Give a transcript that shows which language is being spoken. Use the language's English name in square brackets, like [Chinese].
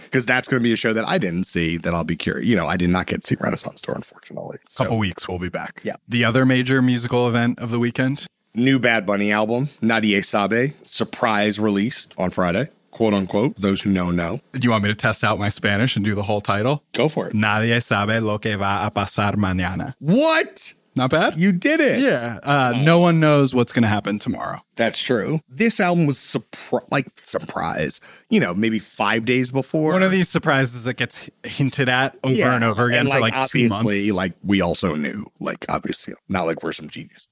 [English] Because that's going to be a show that I didn't see that I'll be curious. You know, I did not get to see Renaissance Tour, unfortunately. So. Couple weeks, we'll be back. Yeah. The other major musical event of the weekend? New Bad Bunny album, Nadie Sabe, surprise released on Friday. Quote unquote, those who know, know. Do you want me to test out my Spanish and do the whole title? Go for it. [Spanish] Nadie sabe lo que va a pasar mañana. [English] What? Not bad. You did it. Yeah. No one knows what's going to happen tomorrow. That's true. This album was surprise, you know, maybe 5 days before. One of these surprises that gets hinted at over and over again for 2 months. Obviously, like, we also knew, like, obviously, not like we're some genius.